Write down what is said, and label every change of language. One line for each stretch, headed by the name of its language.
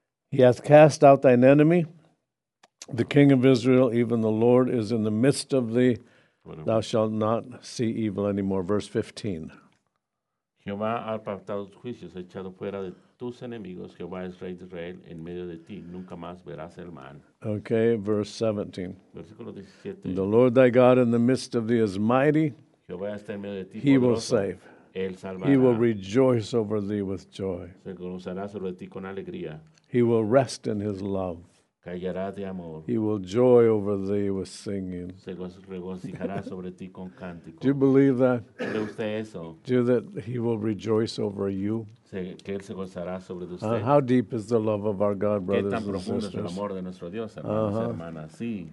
English: He hath cast out thine enemy, the king of Israel, even the Lord is in the midst of thee. Thou shalt not see evil anymore. Verse 15.
Spanish: Jehová ha apartado tus juicios, ha echado fuera de tus enemigos, Jehová es rey de Israel, en medio de ti nunca más verás el mal.
English: Okay, verse 17.
Spanish: Versículo 17.
English: The Lord thy God in the midst of thee is mighty.
Spanish: Jehová está en medio de ti.
English: He will save.
Spanish: Él salvará.
English: He will rejoice over thee with joy.
Spanish: Se gozará sobre ti con alegría.
English: He will rest in his love.
Spanish: Callará de amor.
English: He will joy over thee with singing.
Spanish: Se regocijará sobre ti con cántico.
English: Do you believe that?
Spanish: ¿Cree usted eso?
English: Do that he will rejoice over you.
Spanish: Que él se gozará sobre usted.
English: How deep is the love of our God, brothers and sisters?
Spanish: ¿Qué tan profundo es el amor de nuestro Dios, hermanos y hermanas?